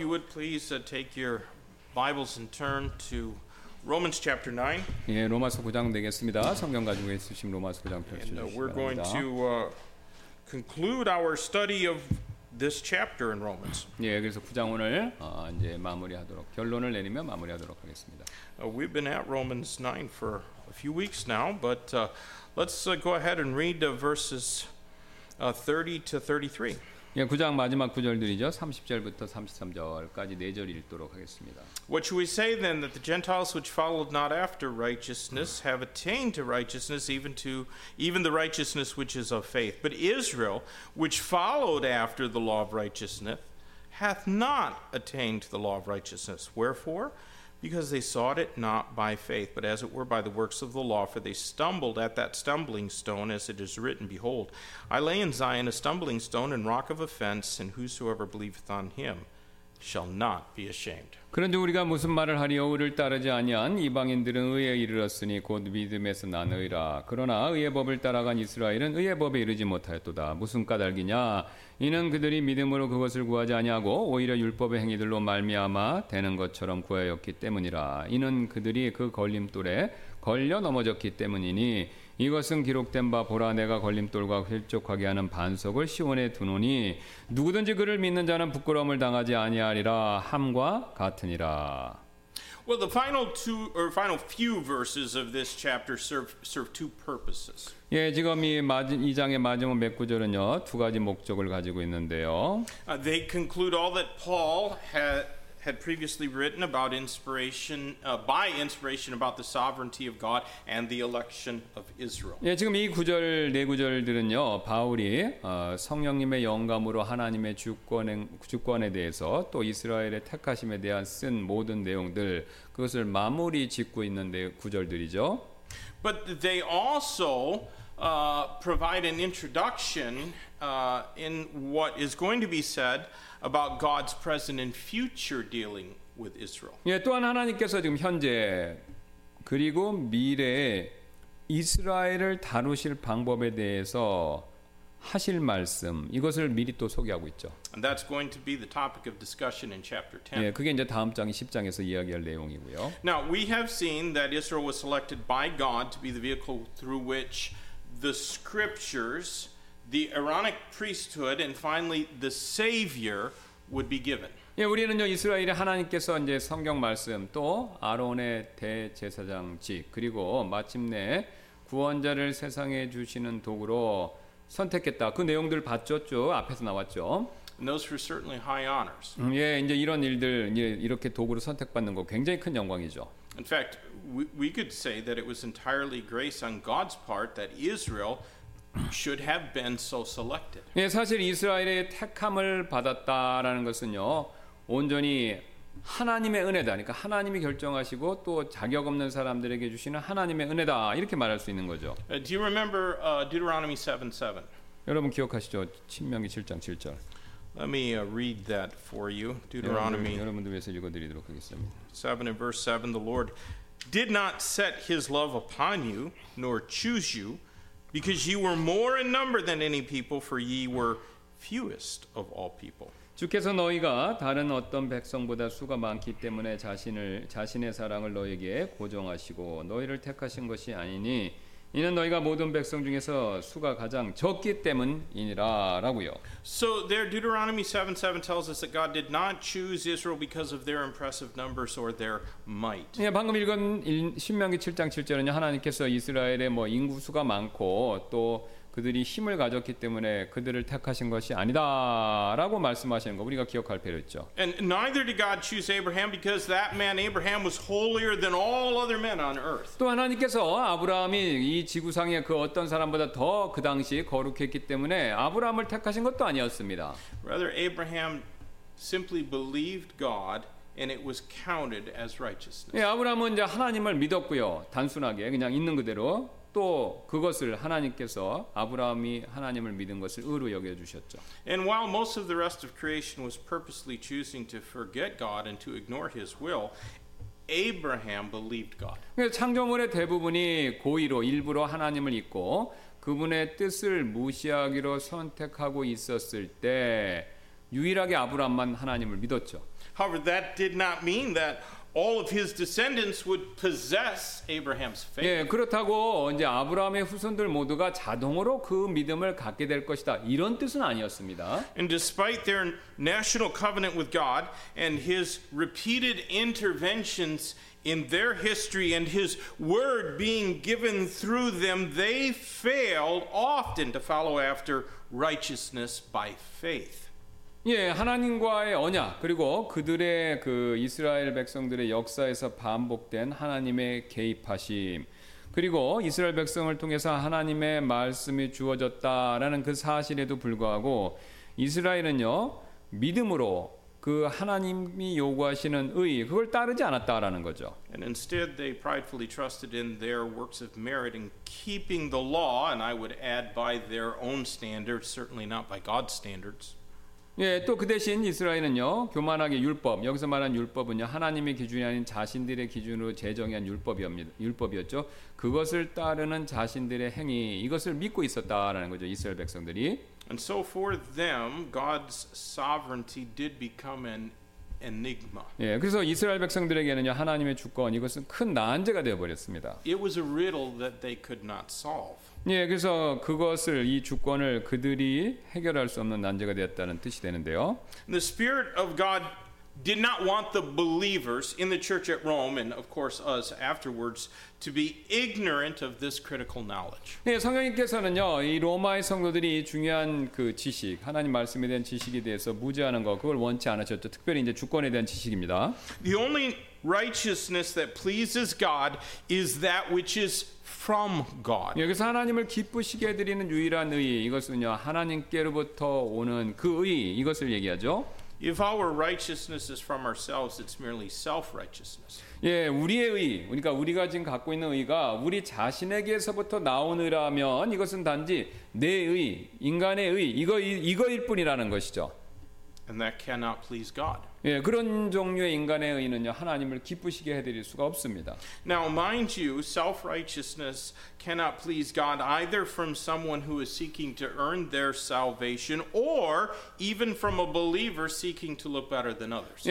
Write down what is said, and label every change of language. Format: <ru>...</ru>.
<en>Please take your Bibles and turn to Romans chapter 9.</en> <ko>예, 로마서 9장 되겠습니다. 성경 가지고 있으시면 로마서 9장 펼쳐주시기 바랍니다.</ko> <en>We're going to conclude our study of this chapter in Romans.</en> <ko>예, 그래서 9장 오늘 이제 마무리하도록 결론을 내리며 마무리하도록 하겠습니다.</ko> <en>We've been at Romans 9 for a few weeks now, but let's go ahead and read verses 30 to 33.</en> <ko>예, 9장 마지막 구절들이죠. 30절부터 33절까지 4절 읽도록 하겠습니다.</ko> <en>What shall we say then, that the Gentiles which followed not after righteousness have attained to righteousness, even the righteousness which is of faith? But Israel, which followed after the law of righteousness, hath not attained to the law of righteousness. Wherefore, Because they sought it not by faith, but as it were by the works of the law, for they stumbled at that stumbling stone, as it is written, Behold, I lay in Zion a stumbling stone and rock of offense, and whosoever believeth on him shall not be ashamed.</en> <ko>그런데 우리가 무슨 말을 하리요? 의를 따르지 아니한 이방인들은 의에 이르렀으니 곧 믿음에서 난 의라. 그러나 의의 법을 따라간 이스라엘은 의의 법에 이르지 못하였도다. 무슨 까닭이냐? 이는 그들이 믿음으로 그것을 구하지 아니하고 오히려 율법의 행위들로 말미암아 되는 것처럼 구하였기 때문이라. 이는 그들이 그 걸림돌에 걸려 넘어졌기 때문이니 이것은 기록된 바 보라 내가 걸림돌과 흘쭉하게 하는 반석을 시온에 두노니 누구든지 그를 믿는 자는 부끄러움을 당하지 아니하리라 함과 같으니라.</ko> <en>Well, the final two or final few verses of this chapter serve two purposes.</en> <ko>예, 지금 이 장의 마지막 몇 구절은요, 두 가지 목적을 가지고 있는데요.</ko> <en>They conclude all that Paul had previously written about inspiration by inspiration about the sovereignty of God and the election of Israel.</en> <ko>예, 지금 이 구절 네 구절들은요, 바울이 성령님의 영감으로 하나님의 주권에 대해서 또 이스라엘의 택하심에 대한 쓴 모든 내용들 그것을 마무리 짓고 있는 네 구절들이죠.</ko> <en>But they also provide an introduction in what is going to be said about God's present and future dealing with Israel.</en> <ko>예, 또한 하나님께서 지금 현재 그리고 미래에 이스라엘을 다루실 방법에 대해서 하실 말씀 이것을 미리 또 소개하고 있죠.</ko> <en>And that's going to be the topic of discussion in chapter 10.</en> <ko>예, 그게 이제 다음 장이 10장에서 이야기할 내용이고요.</ko> <en>Now we have seen that Israel was selected by God to be the vehicle through which the scriptures, the Aaronic priesthood, and finally the Savior would be given.</en> <ko>예, 우리는요 이스라엘의 하나님께서 이제 성경 말씀 또 아론의 대제사장직 그리고 마침내 구원자를 세상에 주시는 도구로 선택했다. 그 내용들 봤죠, 쭉 앞에서 나왔죠.</ko> <en>And those were certainly high honors.</en> <ko>예, 이제 이런 일들 이렇게 도구로 선택받는 거 굉장히 큰 영광이죠.</ko> <en>In fact, we could say that it was entirely grace on God's part that Israel should have been so selected.</en> <ko>예, 사실 이스라엘의 택함을 받았다라는 것은요 온전히 하나님의 은혜다. 그러니까 하나님이 결정하시고 또 자격 없는 사람들에게 주시는 하나님의 은혜다 이렇게 말할 수 있는 거죠.</ko> <en>Do you remember Deuteronomy 7:7?</en> <ko>여러분 기억하시죠? 신명기 7장 7절.</ko> <en>Let me read that for you. Deuteronomy.</en> <ko>여러분들 위해서 읽어드리도록 하겠습니다.</ko> <en>7 and verse 7, the Lord did not set His love upon you, nor choose you. Because ye were more in number than any people, for ye were fewest of all people.</en> <ko>주께서 너희가 다른 어떤 백성보다 수가 많기 때문에 자신의 사랑을 너희에게 고정하시고 너희를 택하신 것이 아니니 이는 너희가 모든 백성 중에서 수가 가장 적기 때문이니라라고요.</ko> <en>So there, Deuteronomy 7:7 tells us that God did not choose Israel because of their impressive numbers or their might.</en> <ko>예, 방금 읽은 신명기 7장 7절은요, 하나님께서 이스라엘의 뭐 인구수가 많고 또 그들이 힘을 가졌기 때문에 그들을 택하신 것이 아니다라고 말씀하시는 거 우리가 기억할 필요있죠.</ko> <en>And neither did God choose Abraham because that man Abraham was holier than all other men on earth.</en> <ko>또 하나님께서 아브라함이 이 지구상의 그 어떤 사람보다 더 그 당시 거룩했기 때문에 아브라함을 택하신 것도 아니었습니다.</ko> <en>Rather Abraham simply believed God and it was counted as righteousness.</en> <ko>예, 아브라함은 이제 하나님을 믿었고요. 단순하게 그냥 있는 그대로 또 그것을 하나님께서 아브라함이 하나님을 믿은 것을 의로 여겨 주셨죠.</ko> <en>And while most of the rest of creation was purposely choosing to forget God and to ignore his will, Abraham believed God.</en> <ko>창조물의 대부분이 고의로 일부러 하나님을 잊고 그분의 뜻을 무시하기로 선택하고 있었을 때 유일하게 아브라함만 하나님을 믿었죠.</ko> <en>However, that did not mean that all of his descendants would possess Abraham's faith.</en> <ko>예, 그렇다고 이제 아브라함의 후손들 모두가 자동으로 그 믿음을 갖게 될 것이다. 이런 뜻은 아니었습니다.</ko> <en>And despite their national covenant with God and his repeated interventions in their history and his word being given through them, they failed often to follow after righteousness by faith.</en> <ko>예, 하나님과의 언약 그리고 그들의 그 이스라엘 백성들의 역사에서 반복된 하나님의 개입하심 그리고 이스라엘 백성을 통해서 하나님의 말씀이 주어졌다라는 그 사실에도 불구하고 이스라엘은요 믿음으로 그 하나님이 요구하시는 의 그걸 따르지 않았다라는 거죠.</ko> <en>And instead they pridefully trusted in their works of merit in keeping the law, and I would add by their own standards, certainly not by God's standards.</en> <ko>예, 또 그 대신 이스라엘은요, 교만하게 율법, 여기서 말한 율법은요, 하나님의 기준이 아닌 자신들의 기준으로 제정한 율법이었죠. 그것을 따르는 자신들의 행위, 이것을 믿고 있었다라는 거죠, 이스라엘 백성들이.</ko> <en>And so for them, God's sovereignty did become an enigma.</en> <ko>예, 그래서 이스라엘 백성들에게는요, 하나님의 주권, 이것은 큰 난제가 되어버렸습니다.</ko> <en>It was a riddle that they could not solve.</en> <ko>예, 그래서 그것을 이 주권을 그들이 해결할 수 없는 난제가 되었다는 뜻이 되는데요.</ko> <en>The Spirit of God did not want the believers in the church at Rome and of course us afterwards to be ignorant of this critical knowledge.</en> <ko>예, 성령님께서는요, 이 로마의 성도들이 중요한 그 지식, 하나님 말씀에 대한 지식에 대해서 무지하는 거 그걸 원치 않으셨죠. 특별히 이제 주권에 대한 지식입니다.</ko> <en>The only righteousness that pleases God is that which is from God.</en> <ko>여기서 하나님을 기쁘시게 드리는 유일한 의 이것은요 하나님께로부터 오는 그 의 이것을 얘기하죠.</ko> <en>If our righteousness is from ourselves, it's merely self-righteousness.</en> <ko>예, 우리의 의, 그러니까 우리가 지금 갖고 있는 의가 우리 자신에게서부터 나온 의라면 이것은 단지 내 의, 인간의 의 이거일 뿐이라는 것이죠.</ko> <en>And that cannot please God.</en> <ko>예, 그런 종류의 인간의 의는요 하나님을 기쁘시게 해드릴 수가 없습니다.</ko> <en>Now, mind you, self-righteousness cannot please God either from someone who is seeking to earn their salvation or even from a believer seeking to look better than others.</en>